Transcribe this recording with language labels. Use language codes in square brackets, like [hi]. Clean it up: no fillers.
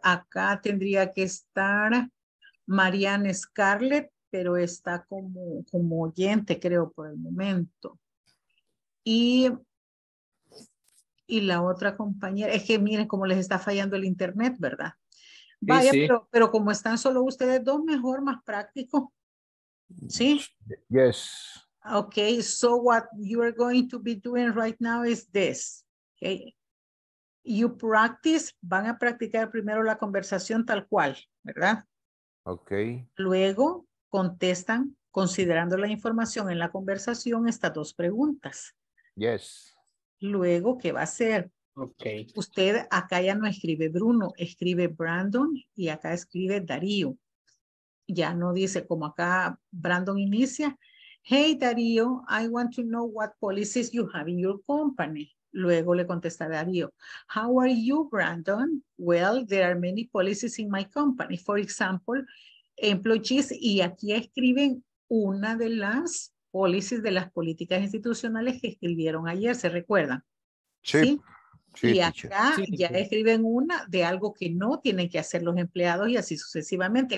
[es] Acá tendría que estar Marianne Scarlett, pero está como oyente, creo, por el momento. Y la otra compañera, es que miren cómo les está fallando el internet, ¿verdad? Sí, vaya, sí. Pero como están solo ustedes 2, mejor, más práctico. ¿Sí? [en] Yes. Okay, so what you are going to be doing right now is this. Okay. You practice, [es] van a practicar primero la conversación tal cual, ¿verdad? [en] Okay. [es] Luego contestan, considerando la información en la conversación, estas 2 preguntas. [en] Yes. [es] Luego, ¿qué va a hacer? [en] Okay. [es] Usted acá ya no escribe Bruno, escribe Brandon y acá escribe Darío. Ya no dice como acá Brandon inicia. [en] Hey, Darío, I want to know what policies you have in your company. [es] Luego le contesta Darío. [en] How are you, [es] Brandon? [en] Well, there are many policies in my company. For example, employees, [es] y aquí escriben una de las policies de las políticas institucionales que escribieron ayer, ¿se recuerdan? Sí. Sí, y acá teacher. Ya escriben una de algo que no tienen que hacer los empleados y así sucesivamente.